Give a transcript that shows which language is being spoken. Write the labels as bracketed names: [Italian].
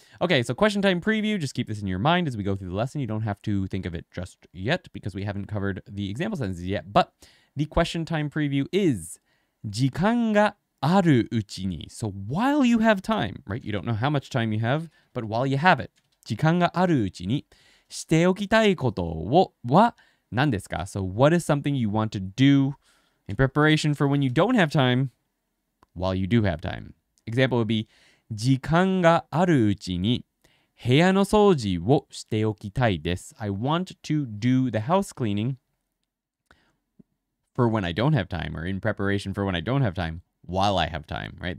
[English] Okay, so question time preview. Just keep this in your mind as we go through the lesson. You don't have to think of it just yet because we haven't covered the example sentences yet. But the question time preview is [Japanese] 時間があるうちに. [English] So while you have time, right? You don't know how much time you have, but while you have it. [Japanese] 時間があるうちにしておきたいことは何ですか? [English] So what is something you want to do in preparation for when you don't have time while you do have time? Example would be [Japanese] 時間があるうちに部屋の掃除をしておきたいです。 [English] I want to do the house cleaning for when I don't have time or in preparation for when I don't have time while I have time, right?